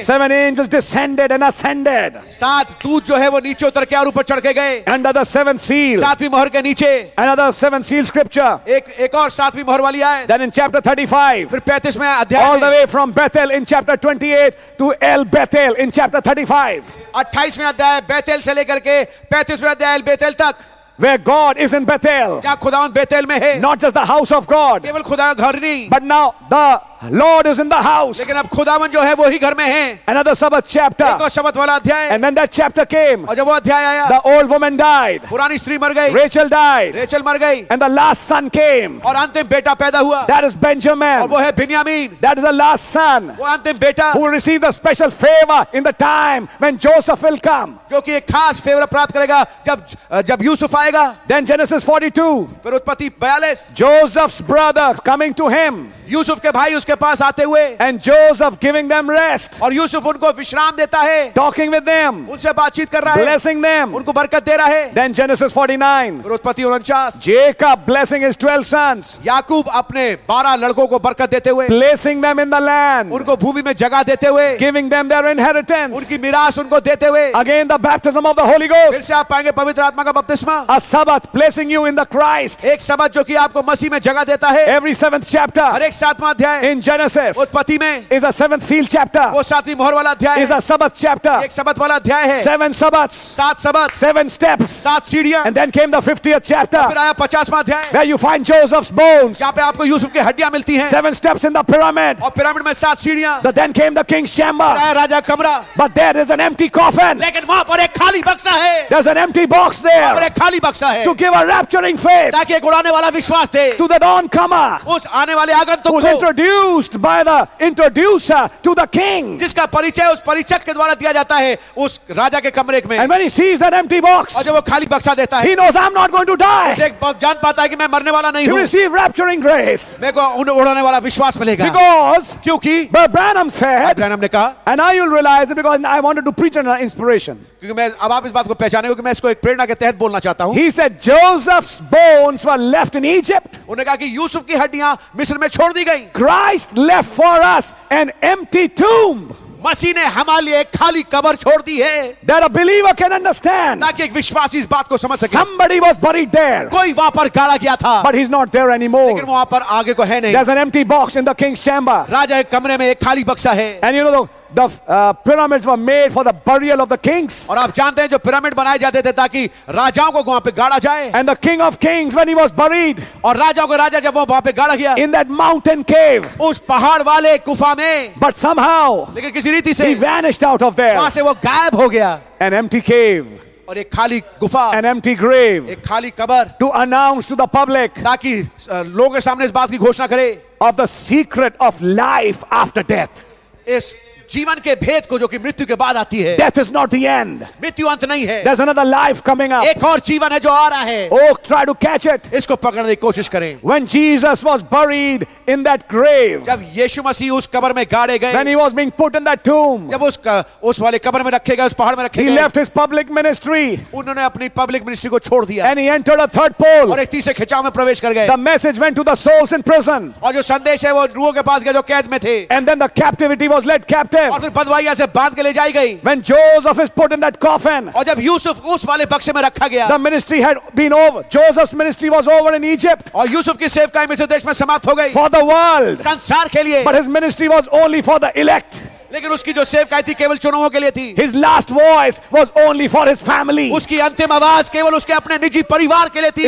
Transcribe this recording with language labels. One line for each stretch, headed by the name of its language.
English: Seven angels descended and ascended.
Hindi: सात दूत जो है वो नीचे उतर के और ऊपर चढ़ के गए.
English: Under the seventh seal.
Hindi: सातवीं मोहर के नीचे.
English: Another seven seal scripture.
Hindi: एक और सातवीं मोहर वाली आए.
English: Then in chapter 35.
Hindi: फिर 35 में अध्याय.
English: All the way from Bethel in chapter 28 to El Bethel in chapter 35.
Hindi: 28वें अध्याय बेथेल से लेकर के 35वें अध्याय एल बेथेल तक.
English: Where God is in Bethel.
Hindi: क्या खुदावंद बेथेल में है.
English: Not just the house of God.
Hindi: केवल खुदा का घर नहीं.
English: But now the Lord is in the house.
Hindi: लेकिन अब खुदावंद जो है वो ही घर में है.
English: Another Sabbath chapter.
Hindi: एक और सबत वाला अध्याय.
English: And when that chapter came.
Hindi: और जब वो अध्याय आया.
English: The old woman died.
Hindi: पुरानी स्त्री मर गई.
English: Rachel died.
Hindi: रेचल मर गई.
English: And the last son came.
Hindi: और अंतिम बेटा पैदा हुआ.
English: That is Benjamin.
Hindi: और वो है बिन्यामीन.
English: That is the last son.
Hindi: वो अंतिम बेटा.
English: Who received a special favor in the time when Joseph will come.
Hindi: जो कि एक खास फेवर प्राप्त करेगा जब यूसुफ आएगा.
English: Then Genesis 42.
Hindi: फिर उत्पत्ति 42.
English: Joseph's brother coming to him.
Hindi: Yusuf के भाई उसके पास आते हुए.
English: And Joseph giving them rest.
Hindi: और यूसुफ उनको विश्राम देता है.
English: Talking with them.
Hindi: उनसे बातचीत कर रहा है.
English: Blessing them.
Hindi: उनको बरकत दे रहा है.
English: Then Genesis 49.
Hindi: फिर उत्पत्ति 49.
English: Jacob blessing his 12 sons.
Hindi: याकूब अपने 12 लड़कों को बरकत देते हुए.
English: Placing them in the land.
Hindi: उनको भूमि में जगह देते हुए.
English: Giving them their inheritance.
Hindi: उनकी मीरास उनको देते हुए.
English: Again the baptism of the Holy Ghost.
Hindi: फिर से आप पाएंगे पवित्र आत्मा का बपतिस्मा.
English: A Sabbath placing you in the Christ.
Hindi: एक सबत जो कि आपको मसीह में जगह देता है.
English: Every seventh chapter.
Hindi: एक सातवां अध्याय.
English: In Genesis.
Hindi: उत्पत्ति में.
English: Is a seventh seal chapter.
Hindi: वो सातवीं मोहर वाला अध्याय.
English: Is a Sabbath chapter.
Hindi: एक सबत वाला अध्याय है.
English: Seven Sabbaths.
Hindi: सात सबत.
English: Seven steps.
Hindi: सात सीढ़ियां.
English: And then came the 50th chapter.
Hindi: फिर आया 50वां अध्याय.
English: Where you find Joseph's bones.
Hindi: यहाँ पे आपको यूसुफ की हड्डियां मिलती हैं.
English: Seven steps in the pyramid.
Hindi: और पिरामिड में सात सीढ़ियां.
English: But then came the king's chamber.
Hindi: आया राजा कमरा.
English: But there is an empty coffin.
Hindi: लेकिन वहाँ पर एक खाली बक्सा है.
English: There's an empty box there.
Hindi: और एक खाली बक्सा है.
English: To give a rapturing faith.
Hindi: ताकि एक उड़ाने वाला विश्वास दे.
English: To the dawn comer.
Hindi: उस आने वाले
English: Was introduced by the introducer to the king.
Hindi: जिसका परिचय उस परिचक के द्वारा दिया जाता है उस राजा के कमरे में.
English: And when he sees that empty box,
Hindi: और जब वो खाली बक्सा देता है,
English: he knows I'm not going to die.
Hindi: देख जान पाता है कि मैं मरने वाला नहीं हूँ.
English: He receives rapturing grace.
Hindi: मेरे को उड़ाने वाला विश्वास मिलेगा.
English: Because
Hindi: क्योंकि
English: Branham said.
Hindi: Branham ने कहा.
English: And now you'll realize it because I wanted to preach an inspiration.
Hindi: क्योंकि मैं अब आप इस बात को पहचाने क्योंकि मैं इसको एक प्रेरणा के तहत बोलना चाहता हूँ.
English: He said Joseph's bones were left in Egypt.
Hindi: उन्हें कहा कि यूसुफ की हड्डियाँ मिस्र में छोड़ दी गई.
English: Christ left for us an empty tomb.
Hindi: मसीह ने हमारे लिए एक खाली कब्र छोड़ दी है.
English: That a believer can understand.
Hindi: ताकि एक विश्वासी इस बात को समझ सके.
English: Somebody was buried there.
Hindi: कोई वहाँ पर गाड़ा गया था.
English: But he's not there anymore.
Hindi: लेकिन वहाँ पर आगे को है नहीं.
English: There's an empty box in the king's chamber.
Hindi: राजा के कमरे में एक खाली बक्सा है.
English: And you know the pyramids were made for the burial of the kings.
Hindi: और आप जानते हैं जो पिरामिड बनाए जाते थे ताकि राजाओं को वहाँ पे गाड़ा जाए.
English: And the king of kings when he was buried.
Hindi: और राजाओं का राजा जब वो वहाँ पे गाड़ा गया.
English: In that mountain cave.
Hindi: उस पहाड़ वाले गुफा में.
English: But somehow.
Hindi: लेकिन किसी रीति से.
English: He vanished out of there.
Hindi: वहाँ से वो गायब हो गया.
English: An empty cave.
Hindi: और एक खाली गुफा.
English: An empty grave.
Hindi: एक खाली कब्र.
English: To announce to the public.
Hindi: ताकि लोगों के सामने इस बात की घोषणा करे.
English: Of the secret of life after death.
Hindi: इस जीवन के भेद को जो कि मृत्यु के बाद आती है.
English: Death is not the end.
Hindi: मृत्यु अंत नहीं है.
English: There's another life coming up.
Hindi: एक और जीवन है जो आ रहा है.
English: Oh, try to catch it.
Hindi: इसको पकड़ने की कोशिश करें.
English: When Jesus was buried in that grave.
Hindi: जब यीशु मसीह उस कब्र में गाड़े गए.
English: When he was being put in that tomb.
Hindi: जब उस वाले कब्र में रखे गए, उस पहाड़ में रखे गए.
English: He left his public ministry.
Hindi: उन्होंने अपनी
English: public ministry
Hindi: को छोड़ दिया.
English: And he entered a third pole.
Hindi: और एक तीसरे खिंचाव में प्रवेश कर गए.
English: The message went to the souls in prison.
Hindi: और जो संदेश है वो रूहों के पास गया जो कैद में थे.
English: And then the captivity was led captive.
Hindi: और फिर बंदवाइयां से बांध के ले जाई गई.
English: When Joseph is put in that coffin.
Hindi: और जब यूसुफ उस वाले बक्से में रखा गया.
English: The ministry had been over. Joseph's ministry was over in Egypt.
Hindi: और यूसुफ की सेवकाई मिस्र देश में समाप्त हो गई.
English: For the world.
Hindi: संसार के लिए.
English: But his ministry was only for the elect.
Hindi: लेकिन उसकी जो सेवकाई थी केवल चुनावों के लिए थी.
English: His last voice was only for his family.
Hindi: उसकी अंतिम आवाज केवल उसके अपने निजी परिवार के लिए थी.